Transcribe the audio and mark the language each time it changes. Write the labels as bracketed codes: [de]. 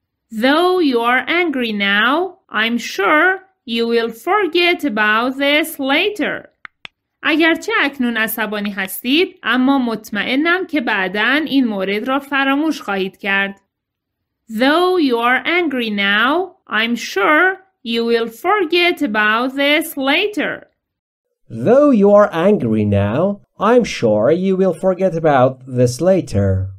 [en] Though you are angry now, I'm sure you will forget about this later. [fa] اگرچه اکنون عصبانی هستید، اما مطمئنم که بعداً این مورد را فراموش خواهید کرد. [en] Though you are angry now, I'm sure you will forget about this later. Though you are angry now, I'm sure you will forget about this later.